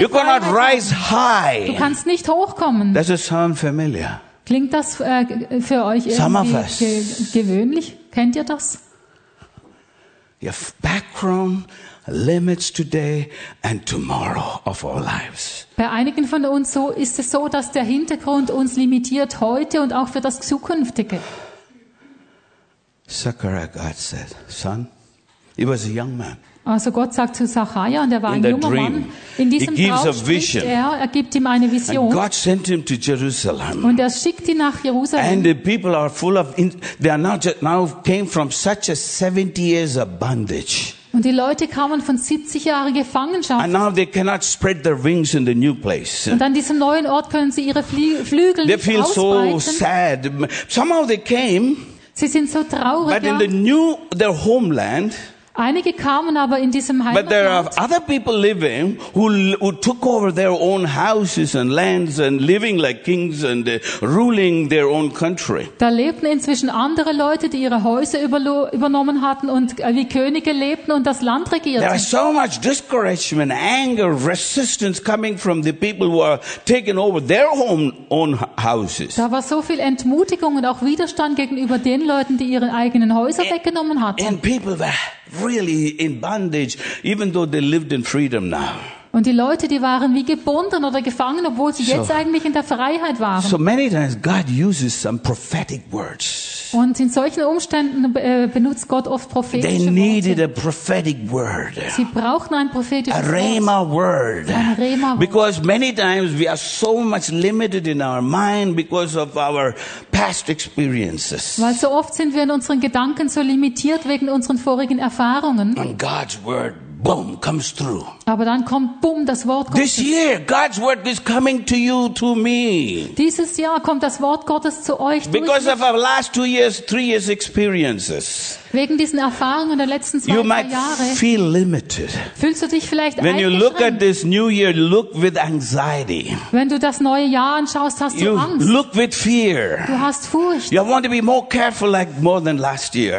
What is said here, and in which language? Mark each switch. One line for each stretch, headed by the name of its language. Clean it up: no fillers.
English: You cannot rise high.
German: Du kannst nicht hochkommen.
English: Does it sound familiar?
German: Klingt das für euch irgendwie gewöhnlich? Kennt ihr das?
English: Your background limits today and tomorrow of our lives.
German: Bei einigen von uns so ist es so, dass der Hintergrund uns limitiert heute und auch für das Zukünftige.
English: Zechariah, God said, son, he was a young man.
German: Also Gott sagt zu Zachariah und er war
English: in
German: ein junger
English: dream,
German: Mann. In diesem Traum spricht er gibt ihm eine Vision.
English: And God sent him to Jerusalem.
German: Und er schickt ihn nach Jerusalem.
English: And the people are full of, they are now came from such a 70 years of bondage.
German: Und die Leute kamen von 70 Jahren Gefangenschaft.
English: And now they cannot spread their wings in the new place.
German: Und an diesem neuen Ort können sie ihre Flügel
English: they
German: nicht
English: feel
German: ausbreiten.
English: So sad. Somehow they came,
German: sie sind so traurig.
English: But in the new, their homeland,
German: einige kamen aber in diesem Heimatland.
English: But there are other people living who took over their own houses and lands and living like kings and ruling their own country.
German: Da lebten inzwischen andere Leute, die ihre Häuser übernommen hatten und wie Könige lebten und das Land regierten.
English: There was so much discouragement, anger, resistance coming from the people who are taking over their own houses.
German: Da war so viel Entmutigung und auch Widerstand gegenüber den Leuten, die ihre eigenen Häuser weggenommen hatten.
English: And people were really in bondage, even though they lived in freedom now.
German: Und die Leute, die waren wie gebunden oder gefangen, obwohl sie jetzt eigentlich in der Freiheit waren.
English: So many times God uses some prophetic words.
German: Und in solchen Umständen benutzt Gott oft prophetische Worte.
English: They needed a prophetic word.
German: Sie brauchten ein prophetisches Wort.
English: A rhema word.
German: Ein rhema Wort.
English: Because many times we are so much limited in our mind because of our past experiences.
German: Weil so oft sind wir in unseren Gedanken so limitiert wegen unseren vorigen Erfahrungen.
English: And God's word. Boom comes through.
German: Aber dann kommt boom, das Wort kommt.
English: This year God's word is coming to you, to me.
German: Dieses Jahr kommt das Wort Gottes zu euch.
English: Because of our last 2 years, 3 years experiences.
German: Wegen diesen Erfahrungen der letzten 2 Jahre.
English: You might feel limited.
German: Fühlst du dich vielleicht
English: when you look at this new year, look with anxiety.
German: Wenn du das neue Jahr anschaust, hast du Angst.
English: You look with fear.
German: Du hast Furcht.
English: You want to be more careful like more than last year.